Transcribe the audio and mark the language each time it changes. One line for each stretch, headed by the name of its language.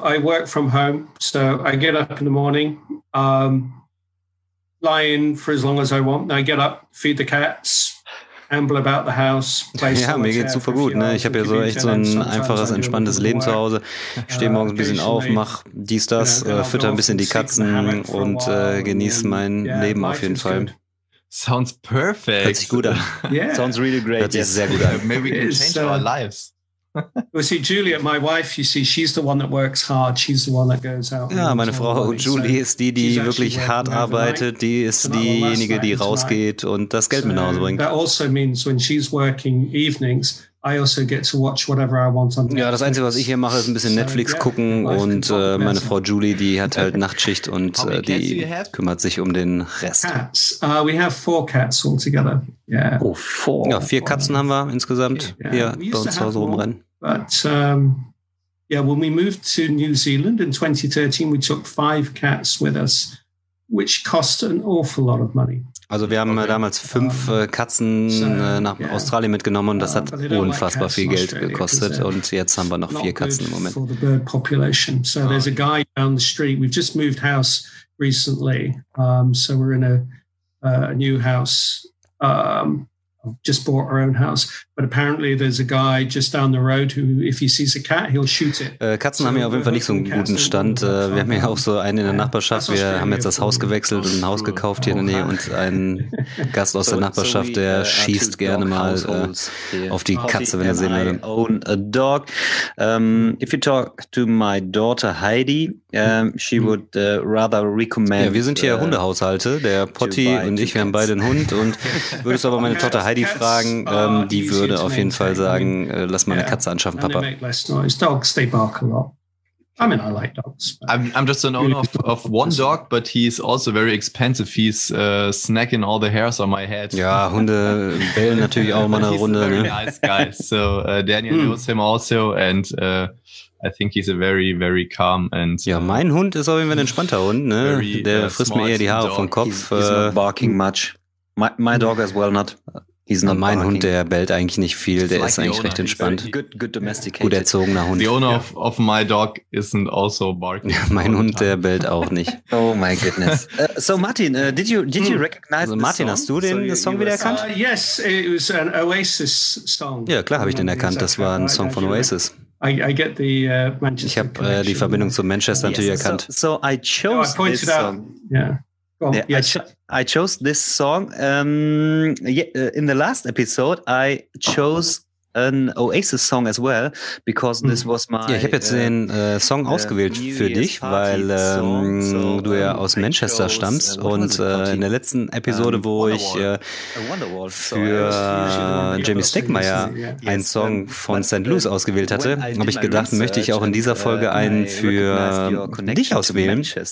English: I work from home, so I get up in the morning. Lie in for as long as I want. I get up, feed the cats, amble about the house.
German: Play ja, mir geht's super gut. Ne? Ich habe ja so echt so ein einfaches, entspanntes Leben zu Hause. Stehe morgens ein bisschen auf, mach dies, das, fütter ein bisschen die Katzen und genieße mein Leben auf jeden Fall.
English: Sounds perfect.
German: Hört sich gut an.
English: Yeah. Sounds really great.
German: Hört sich sehr gut an.
English: Maybe we can change our lives. Well, see, Julie, my wife, you see, she's the one that works hard. She's the one that goes out.
German: Ja, meine Frau Julie ist die, die wirklich hart arbeitet. Die ist diejenige, die rausgeht und das Geld mit nach Hause bringt.
English: That also means when she's working evenings, I also get to watch whatever I want on
German: Netflix. Ja, das Einzige, was ich hier mache, ist ein bisschen Netflix gucken und meine Frau Julie, die hat halt Nachtschicht und die kümmert sich um den Rest.
English: Cats. We have four cats all together. Yeah. Oh, four.
German: Ja, vier Katzen haben wir insgesamt hier bei uns zu Hause rumrennen.
English: But when we moved to New Zealand in 2013, we took five cats with us, which cost an awful lot of money.
German: Also wir haben damals fünf Katzen nach Australien mitgenommen und das hat unfassbar viel Geld gekostet. Und jetzt haben wir noch vier Katzen im Moment.
English: For the bird population. So there's a guy down the street. We've just moved house recently. So we're in a new house. Just bought our own house. But apparently there's a guy just down the road who, if he sees a cat, he'll shoot it.
German: Katzen haben ja auf jeden Fall nicht so einen guten Stand. Wir haben ja auch so einen in der Nachbarschaft. Wir haben jetzt das Haus gewechselt und ein Haus gekauft hier in der Nähe und einen Gast aus der Nachbarschaft, der schießt gerne mal auf die Katze, wenn er sehen will.
English: Own a dog. If you talk to my daughter Heidi, she would rather recommend...
German: Ja, wir sind hier Hundehaushalte. Der Potti und ich, wir haben beide einen Hund und würdest aber meine Tochter Heidi fragen, die würde auf jeden Fall sagen, lass mal eine Katze anschaffen, Papa.
English: Dogs, they bark a lot. I mean, I like dogs. I'm just an owner of one dog, but he's also very expensive. He's snacking all the hairs on my head.
German: Ja, Hunde bellen natürlich auch mal eine Runde.
English: He's a very nice guy. So Daniel knows him also and I think he's a very, very calm and...
German: Ja, mein Hund ist auf jeden Fall ein entspannter Hund. Ne? Der frisst mir eher die Haare vom Kopf.
English: He's not barking much. My dog as well not... He's not
German: mein Hund, der bellt eigentlich nicht viel, der ist eigentlich recht entspannt.
English: Good domesticated.
German: Gut erzogener Hund.
English: The owner of my dog isn't also barking.
German: Mein Hund, der bellt auch nicht.
English: Oh my goodness. So Martin, did you recognize the Martin, song?
German: Hast du den Song wieder erkannt?
English: Yes, it was an Oasis song.
German: Ja, klar habe ich den erkannt, das war ein Song von Oasis.
English: I get the Manchester.
German: Ich habe die Verbindung zu Manchester natürlich erkannt.
English: So I chose this song. Yeah. Oh, yeah, yes. I chose this song. In the last episode, I chose an Oasis song as well, because this was my...
German: Ja, ich habe jetzt den Song ausgewählt für dich, weil du ja aus Manchester stammst. Und in der letzten Episode, wo ich für Jamie Stegmaier einen Song von St. Louis ausgewählt hatte, habe ich gedacht, möchte ich auch in dieser Folge einen für dich auswählen.